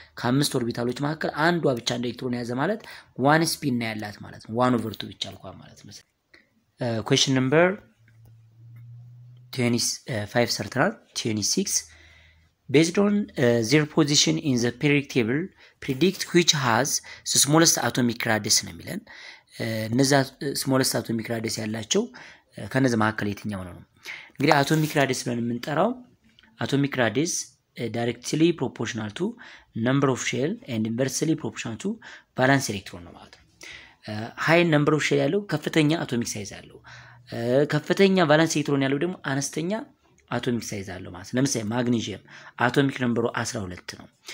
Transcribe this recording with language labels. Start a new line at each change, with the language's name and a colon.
Amharic: ከአምስት ኦርቢታሎች መካከል አንዷ ብቻ አንድ ኤሌክትሮን ያዘ ማለት 1 spin ነው ያላት ማለት ነው. 1 over 2 ብቻ አልኳን ማለት ነው.
English: question number 25 certainal 26 based on their position in the periodic table predict which has the smallest atomic radius
Amharic: ነው የሚለን. እነዛ smallest atomic radius ያላቸው ከነዛ መካከል የትኛው ነው? እንግዲህ
English: atomic radius
Amharic: ብለን የምንጠራው
English: atomic radius directly proportional to number of shell and inversely proportional to valence electron
Amharic: ነው ማለት ነው. high number of shell ያለው ከፍተኛ atomic size አለው. ከፍተኛ valence electron ያለው ደግሞ አነስተኛ atomic size አለው ማለት ነው. ለምሳሌ magnesium atomic number 12 ነው.